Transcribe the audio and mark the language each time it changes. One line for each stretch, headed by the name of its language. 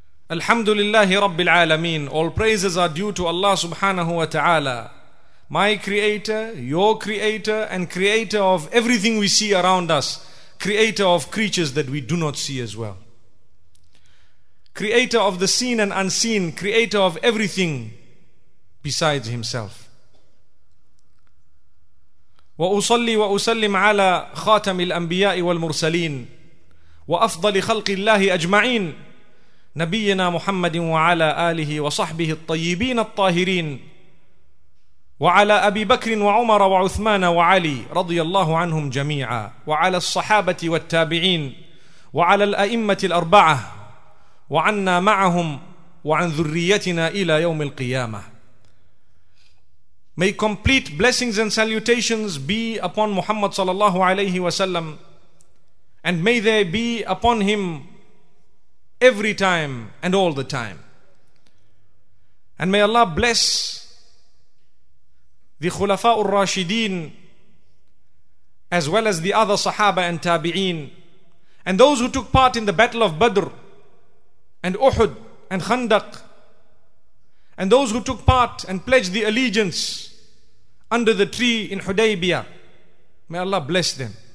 Arabic: Alhamdulillahi Rabbil Alameen.
English: All praises are due to Allah
Arabic: subhanahu wa ta'ala,
English: my creator, your creator, and creator of everything we see around us, creator of creatures that we do not see as well, creator of the seen and unseen, creator of everything besides himself.
Arabic: Wa usalli wa usallim ala khatamil anbiya'i wal mursaleen wa afdali khalqillahi ajma'in نبينا محمد وعلى آله وصحبه الطيبين الطاهرين وعلى أبي بكر وعمر وعثمان وعلي رضي الله عنهم جميعا وعلى الصحابة والتابعين وعلى الأئمة الأربعة وعنا معهم وعن ذريتنا إلى يوم القيامة.
English: May complete blessings and salutations be upon Muhammad
Arabic: صلى الله عليه وسلم,
English: and may they be upon him every time and all the time. And may Allah bless the Khulafa'ur Rashideen as well as the other Sahaba and Tabi'een and those who took part in the Battle of Badr and Uhud and Khandaq and those who took part and pledged the allegiance under the tree in Hudaybiyah. May Allah bless them.